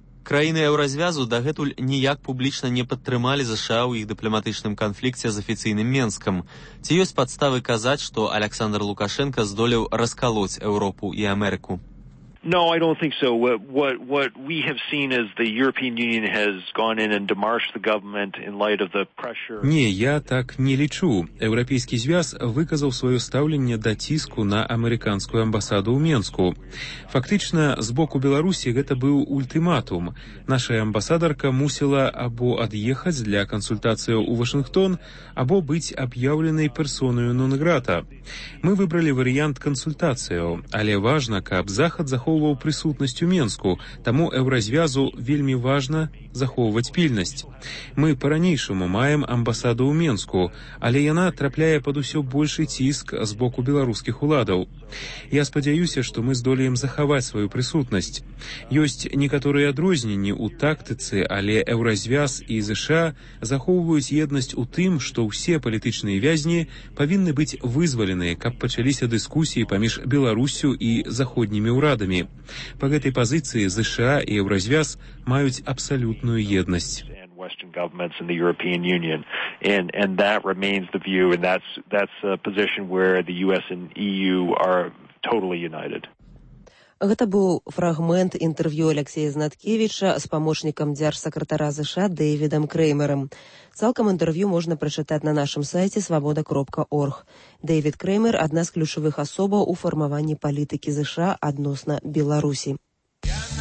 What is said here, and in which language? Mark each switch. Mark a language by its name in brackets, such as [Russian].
[Belarusian] Краіны Еўразвязу дагэтуль ніяк публічна не падтрымалі ЗША ў іх дыпламатычным канфлікце з афіцыйным Менскам. Ці ёсць падставы казаць, што Аляксандр Лукашэнка здолеў раскалоць Еўропу і Амерыку? [English] No, I don't think so. What we have seen is the European Union has gone in and demarched the government in light of the pressure. [Belarusian] Не, я так не лічу. Еўрапейскі звяз выказаў сваё стаўленне да ціску на амерыканскую амбасаду ў Менску. Фактычна, з боку Беларусі гэта быў ультыматум. Наша амбасадарка мусіла або ад'ехаць для кансультацыі ў Вашынгтон, або быць аб'яўленай персонаю нон-грата. Мы выбралі варыянт кансультацыі, але важна, каб Захад захоўваў прысутнасць у Менску, таму Еўразвязу вельмі важна захоўваць пільнасць. Мы па-ранейшаму маем амбасаду ў Менску, але яна трапляе пад усё большы ціск з боку беларускіх уладаў. Я спадзяюся, што мы здолеем захаваць сваю прысутнасць. Ёсць некаторыя адрозненні ў тактыцы, але Еўразвяз і ЗША захоўваюць єднасць у тым, што ўсе палітычныя вязні павінны быць вызвалены, каб пачаліся дыскусіі паміж Беларусю і заходнімі ўрадамі. Па гэтай пазіцыі ЗША і Еўразвяз мають абсолютную єдність. [English] And Western governments and the European Union, and that remains the view, and that's a position where the US and EU are totally united. [Belarusian] Гэта быў фрагмент інтэрв'ю Алексея Знаткевіча з памочнікам дзяржсакратара ЗША Дэвідам Крэймерам. Цалкам інтэрв'ю можна прачытаць на нашым сайце свабода.орг. Дэвід Крэймер – адна з ключавых асобаў у фармаванні палітыкі ЗША адносна Беларусі. Я